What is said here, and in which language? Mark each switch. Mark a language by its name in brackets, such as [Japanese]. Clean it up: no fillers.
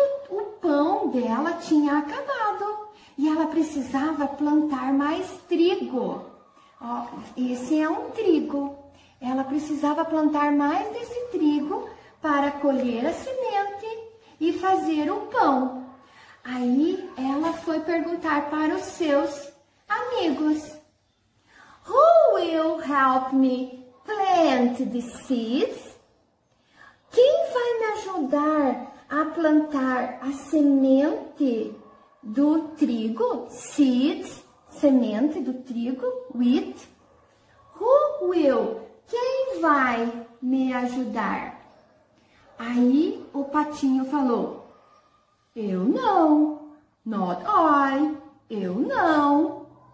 [Portuguese] O pão dela tinha acabado e ela precisava plantar mais trigo. Ó, esse é um trigo. Ela precisava plantar mais desse trigo para colher a semente e fazer o pão. Aí ela foi perguntar para os seus amigos. [English] Who will help me plant the seeds? [Portuguese] Quem vai me ajudar a plantar a semente do trigo? [English] Seeds, [Portuguese] semente do trigo, [English] wheat. Who will? [Portuguese] Quem vai me ajudar? Aí o patinho falou, eu não, [English] not I, [Portuguese] eu não.